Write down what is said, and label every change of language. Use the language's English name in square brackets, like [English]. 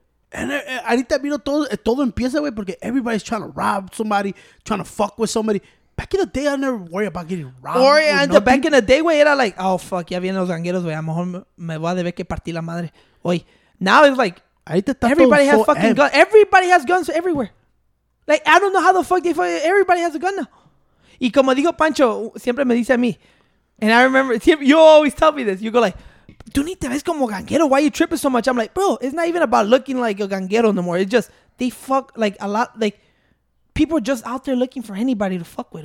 [English] And [Spanish] ahorita vino todo empieza, [English] güey, porque everybody's trying to rob somebody, trying to fuck with somebody. Back in the day, I never worry about getting robbed. Or yeah, and the back in the day, [Spanish] güey, era [English] like, oh, fuck, [Spanish] ya vienen los gangueros, güey. A lo mejor me voy a deber que partí la madre. [English] Oye, now it's like, everybody has fucking guns. Everybody has guns everywhere. Like, I don't know how the fuck they fuck. Everybody has a gun now. [Spanish] Y como digo Pancho, siempre me dice a mí. [English] And I remember, you always tell me this. You go like, [Spanish] tú ni te ves como ganguero. [English] Why are you tripping so much? I'm like, bro, it's not even about looking like a ganguero no more. It's just, they fuck, like, a lot, like, people are just out there looking for anybody to fuck with.